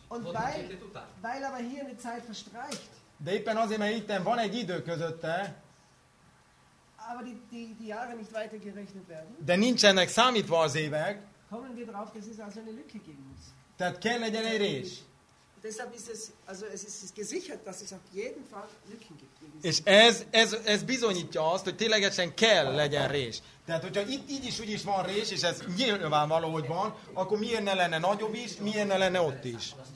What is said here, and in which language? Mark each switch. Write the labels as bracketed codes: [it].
[de] Und weil aber hier eine Zeit verstreicht. [hu] De éppen azért, mert itten van egy idő közötte. [de] Aber die Jahre nicht weitergerechnet werden. [hu] De nincsenek számítva az évek. [de] Kommen wir darauf, dass es also eine Lücke geben muss. [hu] Tehát kell legyen egy rés. [de] Deshalb ist es, also es ist gesichert, dass es auf jeden Fall Lücken gibt. [hu] És ez bizonyítja azt, hogy ténylegesen kell legyen rés. Tehát, hogyha itt így is van rés, és ez nyilvánvaló, hogy van, akkor miért ne lenne nagyobb is, miért ne lenne ott is?